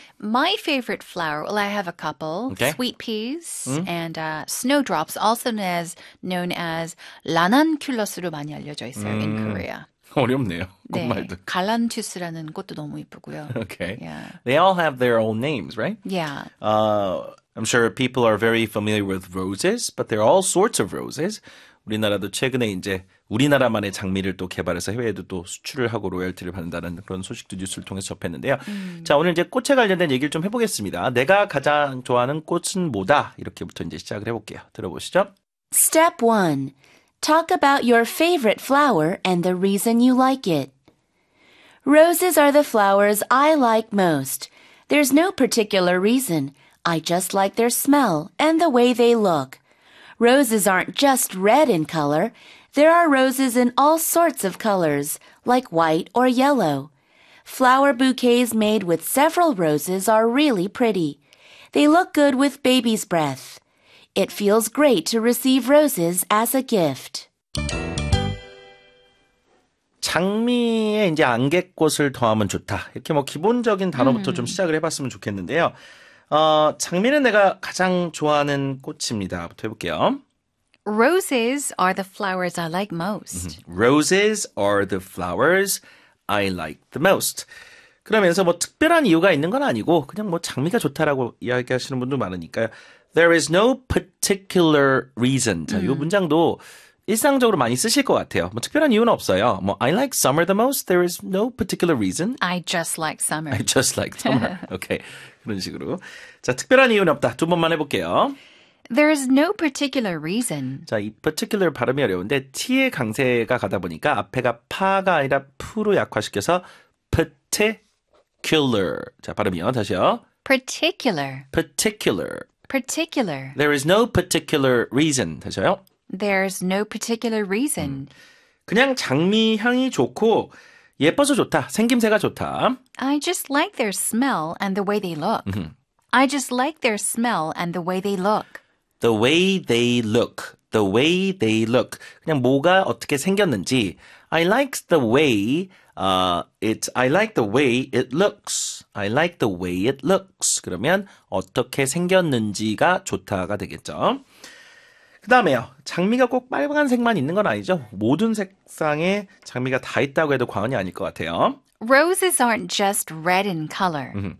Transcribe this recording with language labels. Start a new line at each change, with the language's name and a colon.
English: My favorite flower, well, I have a couple. Okay. Sweet peas and snowdrops, also known as
Korean: 라난큘러스로 많이 알려져 있어요
English: in Korea.
Korean: 어렵네요. 꽃말도. 네, 갈란투스라는 꽃도 너무 예쁘고요.
English: Okay. Yeah. They all have their own names, right? Yeah. I'm sure people are very familiar with roses, but there are all sorts of roses.
Korean: 우리나라도 최근에 이제 우리나라만의 장미를 또 개발해서 해외에도 또 수출을 하고 로열티를 받는다는 그런 소식도 뉴스를 통해서 접했는데요. 자, 오늘 이제 꽃에 관련된 얘기를 좀 해보겠습니다. 내가 가장 좋아하는 꽃은 뭐다? 이렇게부터 이제 시작을 해볼게요. 들어보시죠.
English: Step 1. Talk about your favorite flower and the reason you like it. Roses are the flowers I like most. There's no particular reason. I just like their smell and the way they look. Roses aren't just red in color. There are roses in all sorts of colors, like white or yellow. Flower bouquets made with several roses are really pretty. They look good with baby's breath. It feels great to receive roses as a gift.
Korean: 장미에 이제 안개꽃을 더하면 좋다. 이렇게 뭐 기본적인 단어부터 좀 시작을 해봤으면 좋겠는데요. 장미는 내가 가장 좋아하는 꽃입니다. 부터 해볼게요.
English: Roses are the flowers I like most. Roses are the flowers I like the most.
Korean: 그러면서 뭐 특별한 이유가 있는 건 아니고 그냥 뭐 장미가 좋다라고 이야기하시는 분도 많으니까요.
English: There is no particular reason.
Korean: 자, 이 문장도 일상적으로 많이 쓰실 것 같아요. 뭐 특별한 이유는 없어요.
English: 뭐 I like summer the most. There is no particular reason. I just like summer. I just like summer. Okay.
Korean: 그런 식으로. 자, 특별한 이유는 없다. 두 번만 해볼게요.
English: There is no particular reason.
Korean: 자, 이 particular 발음이 어려운데 T의 강세가 가다 보니까 앞에가 파가 아니라 푸로 약화시켜서 particular. 자, 발음이요. 다시요.
English: Particular. Particular. Particular. There is no particular reason.
Korean: 다시요.
English: There's no particular reason.
Korean: 그냥 장미 향이 좋고 예뻐서 좋다. 생김새가 좋다.
English: I just like their smell and the way they look. I just like their smell and the way they look. The way they look. The way they look.
Korean: 그냥 뭐가 어떻게 생겼는지.
English: I like the way I like the way it looks. I like the way it looks.
Korean: 그러면 어떻게 생겼는지가 좋다가 되겠죠. 그 다음에요. 장미가 꼭 빨간색만 있는 건 아니죠. 모든 색상에 장미가 다 있다고 해도 과언이 아닐 것 같아요.
English: Roses aren't just red in color.